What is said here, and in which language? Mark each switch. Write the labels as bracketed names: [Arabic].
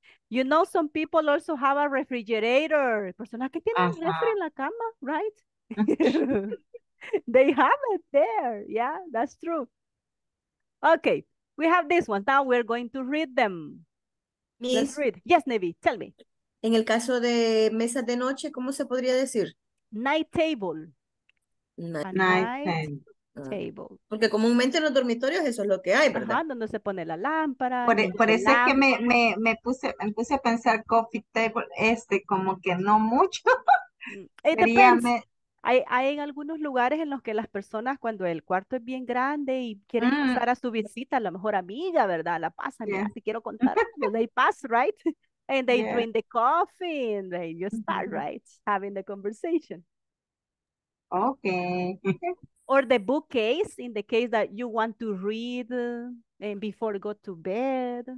[English] You know, some people also have a refrigerator. [Spanish] Personas que tienen refri en la cama, right? [English] They have it there. Yeah, that's true. Okay, we have this one. Now we're going to read them. Miss, let's read. Yes, Nevi, tell me. [Spanish] En el caso de mesa de noche, ¿cómo se podría decir? [English] Night table. Night table. [Spanish] Porque comúnmente en los dormitorios eso es lo que hay, ¿verdad? Donde se pone la lámpara. Por eso es que me puse a pensar coffee table, como que no mucho. Hay en algunos lugares en los que las personas, cuando el cuarto es bien grande y quieren pasar a su visita, a la mejor amiga, ¿verdad? La pasan, yeah. Mira, si quiero contar, [English] they pass, right? And they drink the coffee and they just start, right? Having the conversation. Okay. Or the bookcase, in the case that you want to read and before go to bed.